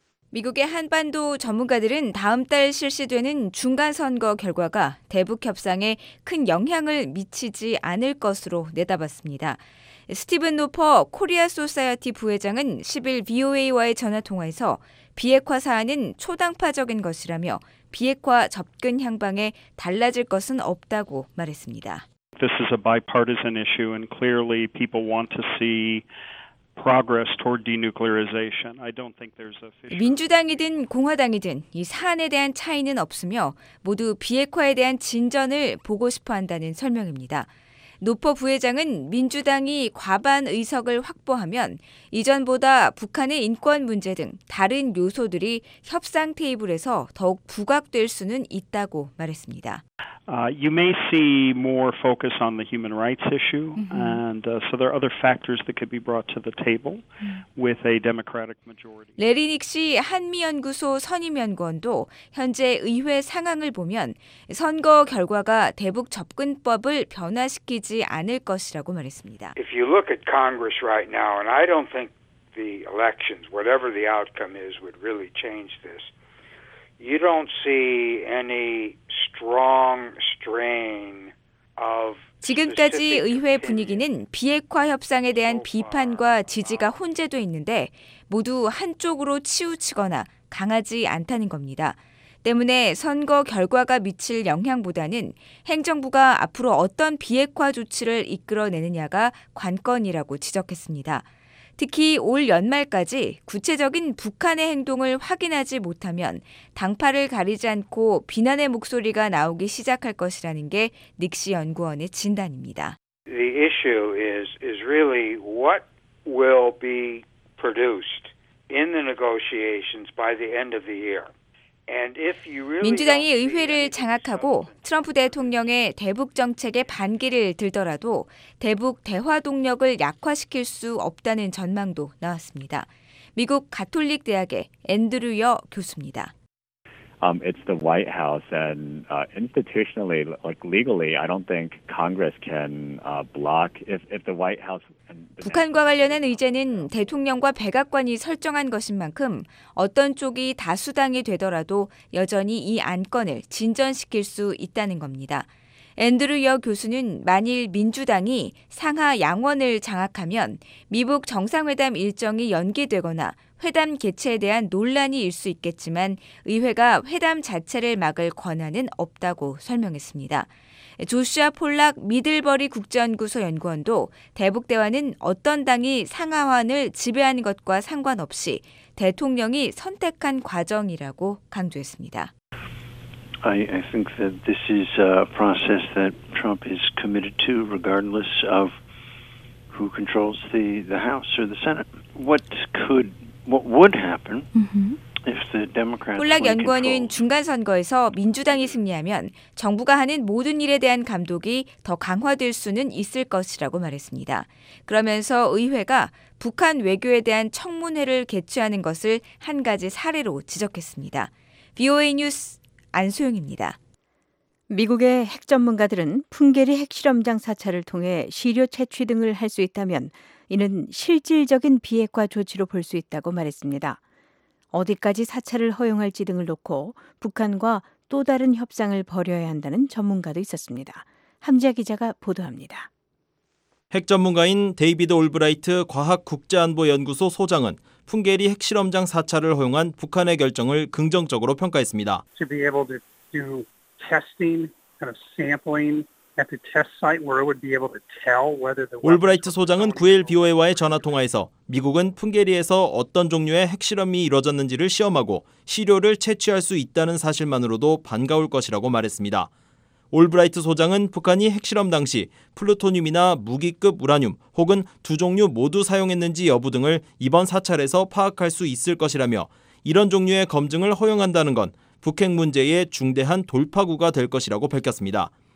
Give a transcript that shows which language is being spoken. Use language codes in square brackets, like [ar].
[ko] 미국의 한반도 전문가들은 다음 달 실시되는 중간선거 결과가 대북협상에 큰 영향을 미치지 않을 것으로 내다봤습니다. 스티븐 노퍼 코리아 소사이어티 부회장은 10일 VOA와의 전화통화에서 비핵화 사안은 초당파적인 것이라며 비핵화 접근 향방에 달라질 것은 없다고 말했습니다. [en] This is a bipartisan issue and clearly people want to see progress toward denuclearization. I don't think there's a official... [ko] 민주당이든 공화당이든 이 사안에 대한 차이는 없으며 모두 비핵화에 대한 진전을 보고 싶어 한다는 설명입니다. 노퍼 부회장은 민주당이 과반 의석을 확보하면 이전보다 북한의 인권 문제 등 다른 요소들이 협상 테이블에서 더욱 부각될 수는 있다고 말했습니다. [en] You may see more focus on the human rights issue and so there are other factors that could be brought to the table with a democratic majority. [ko] 래리 닉시 한미연구소 선임연구원도 현재 의회 상황을 보면 선거 결과가 대북 접근법을 변화시키지 않을 것이라고 말했습니다. [en] If you look at Congress right now and I don't think the elections whatever the outcome is would really change this. You don't see any strong strain of [ko] 지금까지 의회 분위기는 비핵화 협상에 대한 비판과 지지가 혼재돼 있는데 모두 한쪽으로 치우치거나 강하지 않다는 겁니다. 때문에 선거 결과가 미칠 영향보다는 행정부가 앞으로 어떤 비핵화 조치를 이끌어내느냐가 관건이라고 지적했습니다. 특히 올 연말까지 구체적인 북한의 행동을 확인하지 못하면 당파를 가리지 않고 비난의 목소리가 나오기 시작할 것이라는 게 닉시 연구원의 진단입니다. [en] The issue is really what will be produced in the negotiations by the end of the year. [ko] 민주당이 의회를 장악하고 트럼프 대통령의 대북 정책에 반기를 들더라도 대북 대화 동력을 약화시킬 수 없다는 전망도 나왔습니다. 미국 가톨릭 대학의 앤드류 여 교수입니다. [en] It's the White House and institutionally, like legally, I don't think Congress can block if the White House. [ko] 북한과 관련한 의제는 대통령과 백악관이 설정한 것인 만큼 어떤 쪽이 다수당이 되더라도 여전히 이 안건을 진전시킬 수 있다는 겁니다. 앤드류 여 교수는 만일 민주당이 상하 양원을 장악하면 미북 정상회담 일정이 연기되거나 회담 개최에 대한 논란이 일 수 있겠지만 의회가 회담 자체를 막을 권한은 없다고 설명했습니다. 조슈아 폴락 미들버리 국제연구소 연구원도 대북 대화는 어떤 당이 상하원을 지배하는 것과 상관없이 대통령이 선택한 과정이라고 강조했습니다. [en] I think that this is a process that Trump is committed to regardless of who controls the House or the Senate. What would happen if the Democrats [ko] 폴락 연구원은 중간선거에서 민주당이 승리하면 정부가 하는 모든 일에 대한 감독이 더 강화될 수는 있을 것이라고 말했습니다. 그러면서 의회가 북한 외교에 대한 청문회를 개최하는 것을 한 가지 사례로 지적했습니다. VOA 뉴스 안소영입니다. 미국의 핵 전문가들은 풍계리 핵실험장 사찰을 통해 시료 채취 등을 할 수 있다면 이는 실질적인 비핵화 조치로 볼 수 있다고 말했습니다. 어디까지 사찰을 허용할지 등을 놓고 북한과 또 다른 협상을 벌여야 한다는 전문가도 있었습니다. 함지아 기자가 보도합니다. 핵 전문가인 데이비드 올브라이트 과학국제안보연구소 소장은 풍계리 핵실험장 사찰을 허용한 북한의 결정을 긍정적으로 평가했습니다. [en] To be able to do testing, kind of sampling at the test site where it would be able to tell whether the [ko] 올브라이트 소장은 9일 BOA와의 전화 통화에서 미국은 풍계리에서 어떤 종류의 핵실험이 이루어졌는지를 시험하고 시료를 채취할 수 있다는 사실만으로도 반가울 것이라고 말했습니다. 올브라이트 소장은 북한이 핵실험 당시 플루토늄이나 무기급 우라늄 혹은 두 종류 모두 사용했는지 여부 등을 이번 사찰에서 파악할 수 있을 것이라며 이런 종류의 검증을 허용한다는 건 북핵 문제의 중대한 돌파구가 될 것이라고 밝혔습니다.